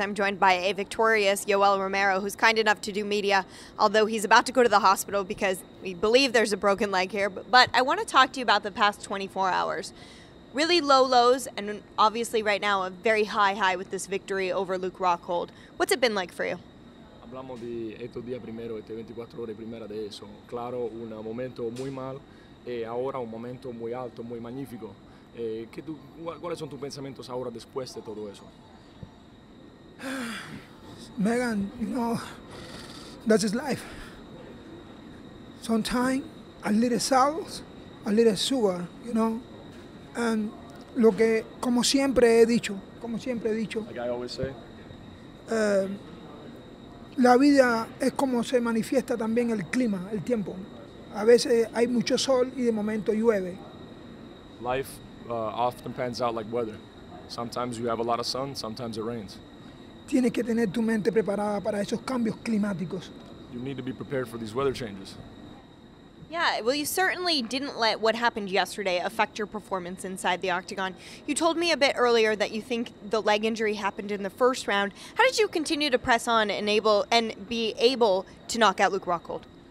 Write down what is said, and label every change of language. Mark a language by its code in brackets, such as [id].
[en] I'm joined by a victorious Yoel Romero, who's kind enough to do media, although he's about to go to the hospital because we believe there's a broken leg here. But I want to talk to you about the past 24 hours. Really low lows, and obviously right now a very high high with this victory over Luke Rockhold. What's it been like for you? [es] Hablamos de estos días primero, este 24 horas primera de eso. Claro, un momento muy mal, ahora un momento muy alto, muy magnífico. ¿Cuáles son tus pensamientos ahora después de todo eso? [en] Megan, you know, that's his life. Sometimes a little salt, a little sugar, you know. [es] And lo que, como siempre he dicho. [en] Like I always say. [es] La vida es como se manifiesta también el clima, el tiempo. A veces hay mucho sol y de momento llueve. [en] Life often pans out like weather. Sometimes you have a lot of sun, sometimes it rains. [es] Tienes que tener tu mente preparada para esos cambios climáticos. [en] You need to be prepared for these weather changes. Yeah, well, you certainly didn't let what happened yesterday affect your performance inside the octagon. You told me a bit earlier that you think the leg injury happened in the first round. How did you continue to press on and be able to knock out Luke Rockhold?